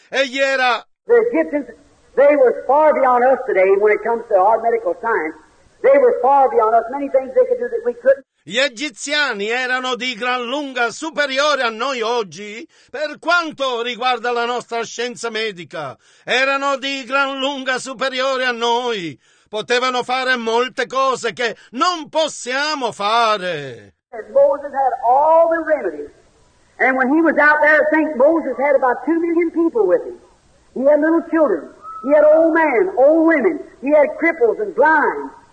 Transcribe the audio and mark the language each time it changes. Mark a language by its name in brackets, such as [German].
[Italian] Egli era... [English] The Egyptians, they were far beyond us today when it comes to our medical science. They were far beyond us. Many things they could do that we couldn't. [Italian] Gli egiziani erano di gran lunga superiori a noi oggi per quanto riguarda la nostra scienza medica. Erano di gran lunga superiori a noi. Potevano fare molte cose che non possiamo fare. [English] And Moses had all the remedies. And when he was out there, I think Moses had about 2 million people with him. He had little children. He had old men, old women. He had cripples and blind.